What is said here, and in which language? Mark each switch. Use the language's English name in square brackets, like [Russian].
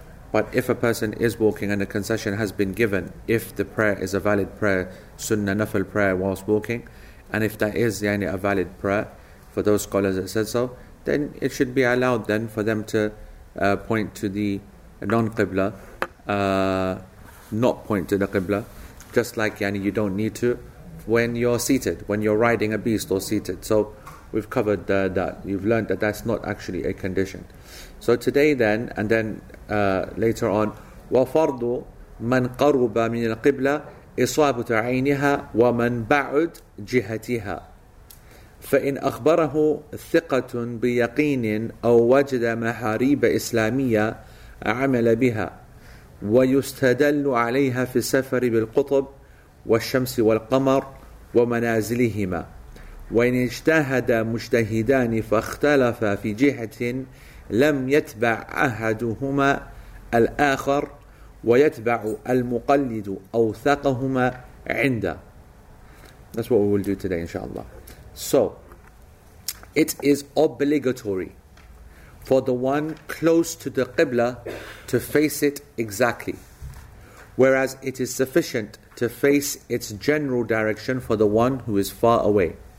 [English] But if a person is walking and a concession has been given, if the prayer is a valid prayer, sunnah nafil prayer whilst walking, and if that is yani a valid prayer for those scholars that said so, then it should be allowed then for them to point to the non-qibla, not point to the qibla, just like yani you don't need to when you're seated, when you're riding a beast or seated. So we've covered that. You've learned that that's not actually a condition. So today then, and then later on, [Arabic] وَفَرْضُ مَنْ قَرُبَ مِنَ الْقِبْلَةِ إِصَابَةُ عَيْنِهَا وَمَنْ بَعُدْ جِهَتِهَا فَإِنْ أَخْبَرَهُ ثِقَةٌ بِيَقِينٍ أَوْ وَجَدَ مَحَارِيبَ إِسْلَامِيَّةَ عَمَلَ بِهَا وَيُسْتَدَلُّ عَلَيْهَا فِي السَّفَرِ بِالْقُطُبِ والشمس والقمر ومنازلهما وإن اجتهد مجتهدان فاختلف في جهة لم يتبع أحدهما الآخر ويتبع المقلد أوثقهما عند. [English] That's what we will do today, inshallah. So, it is obligatory for the one close to the Qibla to face it exactly, whereas it is sufficient to face its general direction for the one who is far away.